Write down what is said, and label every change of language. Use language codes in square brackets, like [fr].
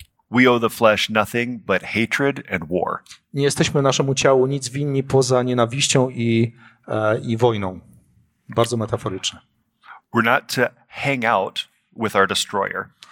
[en] We owe the flesh nothing but hatred and war. [pl] Nie jesteśmy naszemu ciału nic winni poza nienawiścią i wojną. Bardzo metaforyczne. [en] We're not to hang out with our destroyer.